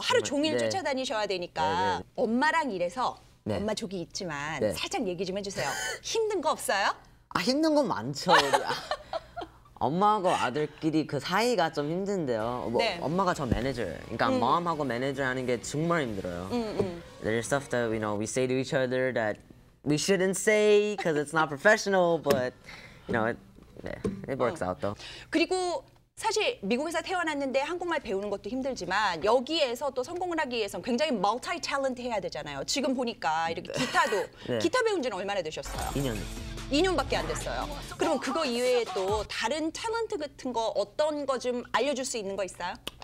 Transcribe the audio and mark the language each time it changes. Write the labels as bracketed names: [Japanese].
[Korean] 하루 종일 네. 쫓아다니셔야 되니까. 네, 네. 엄마랑 일해서 네. 엄마 족이 있지만 네. 살짝 얘기 좀 해주세요. 힘든 거 없어요? 아, 힘든 건 많죠. 엄마하고 아들끼리 그 사이가 좀 힘든데요. 뭐, 네. 엄마가 저 매니저예요. 그러니까 마음하고 매니저 하는 게 정말 힘들어요. [English] There's stuff that we know we say to each other that we shouldn't say because it's not professional, but it works out though. [Korean] 그리고 사실 미국에서 태어났는데 한국말 배우는 것도 힘들지만 여기에서 또 성공을 하기 위해서 굉장히 멀티 탤런트 해야 되잖아요. 지금 보니까 이렇게 기타도 네. 기타 배운 지는 얼마나 되셨어요? 2년. 2년밖에 안 됐어요. 그럼 그거 이외에 또 다른 탤런트 같은 거 어떤 거 좀 알려줄 수 있는 거 있어요?